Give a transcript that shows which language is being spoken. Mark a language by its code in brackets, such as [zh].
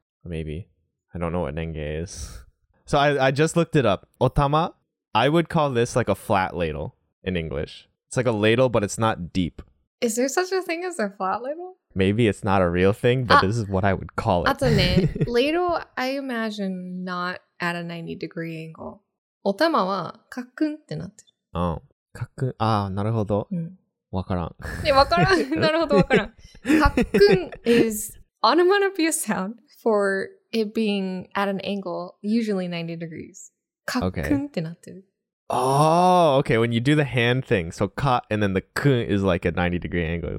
[en] Maybe. I don't know what renge is. So I just looked it up. お玉, I would call this like a flat ladle in English. It's like a ladle, but it's not deep. Is there such a thing as a flat ladle? Maybe it's not a real thing, but this is what I would call it. [ja] あとね、 [en] ladle, I imagine not at a 90 degree angle. [ja] お玉はカックンってなってる。うん。カックン、ああ、なるほど。うん。わからん。え、わからん。なるほど、わからん。 [en] かっくん is onomatopoeia sound for it being at an angle, usually 90 degrees. [ja] かっくんってなってる。 [en] Oh, okay. When you do the hand thing, so か and then the くん is like a 90 degree angle.